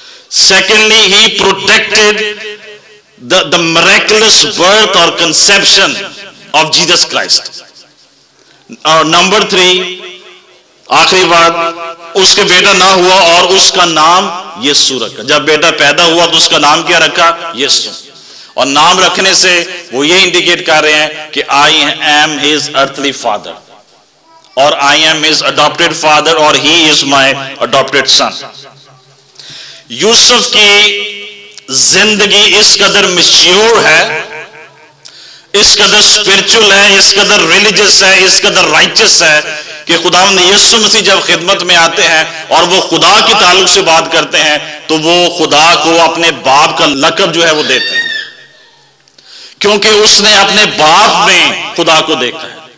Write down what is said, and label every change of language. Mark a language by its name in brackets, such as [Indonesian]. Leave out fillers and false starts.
[English] Secondly, he protected the miraculous birth or conception of Jesus Christ। [Hindi] और number three, आखिरी बात, उसके बेटा ना हुआ और उसका नाम यीशु रखा। जब बेटा पैदा हुआ तो उसका नाम क्या रखा? यीशु। और नाम रखने से वो ये इंडिकेट कर रहे हैं कि [English] I am his earthly father और I am his adopted father और he is my adopted son। [Hindi] Yusuf की जिंदगी इस कदर मैच्योर है, इस कदर स्पिरिचुअल है, इस कदर रिलीजियस है, इस कदर राइचियस है कि खुदावंद यीशु मसीह जब खिदमत में आते हैं और वो खुदा के ताल्लुक से बात करते हैं तो वो खुदा को अपने बाप का लकब जो है वो देते हैं, क्योंकि उसने अपने बाप में खुदा को देखा है।